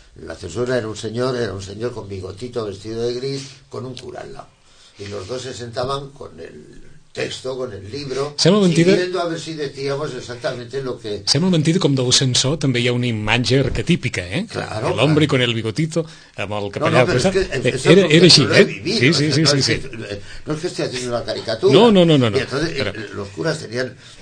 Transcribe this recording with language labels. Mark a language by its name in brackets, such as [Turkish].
[Spanish] La Censura era un señor con bigotito, vestido de gris, con un cura al lado. Y los dos se sentaban con el texto, con el libro, siguiendo a ver si decíamos exactamente lo que... [Catalan] Sembla mentida, com del censor també hi ha una imatge arquetípica, eh? [Spanish] Claro. El hombre con el bigotito, [Catalan] amb el capellà... No, però és que... Era així, eh? Sí. No és que estigui [Spanish] haciendo una caricatura. [Catalan] No. [Spanish] I entonces los curas tenían...